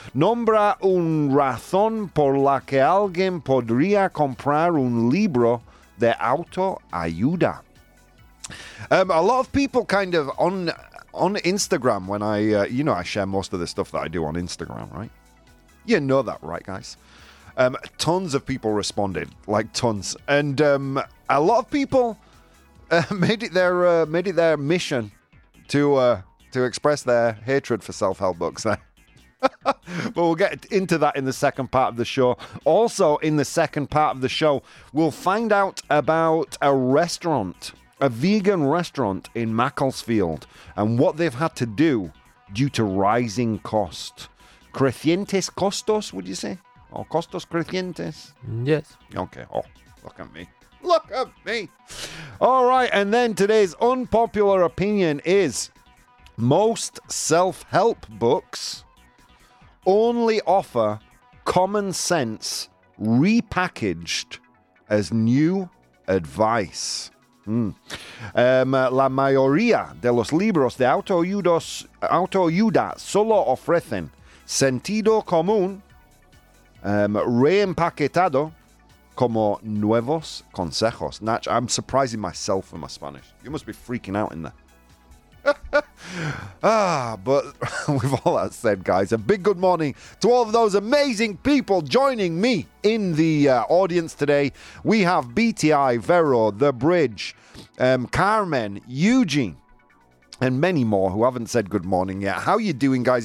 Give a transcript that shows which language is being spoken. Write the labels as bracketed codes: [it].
[es] Nombra un razón por la que alguien podría comprar un libro de autoayuda. [en] A lot of people kind of on Instagram when I, I share most of the stuff that I do on Instagram, right? You know that, right, guys? Tons of people responded, like tons, and a lot of people made it their mission to express their hatred for self-help books. But we'll get into that in the second part of the show. Also, in the second part of the show, we'll find out about a restaurant, a vegan restaurant in Macclesfield, and what they've had to do due to rising cost. [es] Crecientes costos, [en] would you say? [es] Oh, costos crecientes. [en] Yes. Okay. Oh, look at me. Look at me. All right. And then today's unpopular opinion is most self-help books only offer common sense repackaged as new advice. [es] La mayoría de los libros de autoayuda solo ofrecen sentido común reempaquetado como nuevos consejos. [en] Natch, I'm surprising myself with my Spanish. You must be freaking out in there. but with all that said, guys, a big good morning to all of those amazing people joining me in the audience today. We have BTI, Vero, The Bridge, Carmen, Eugene, and many more who haven't said good morning yet. How you doing, guys?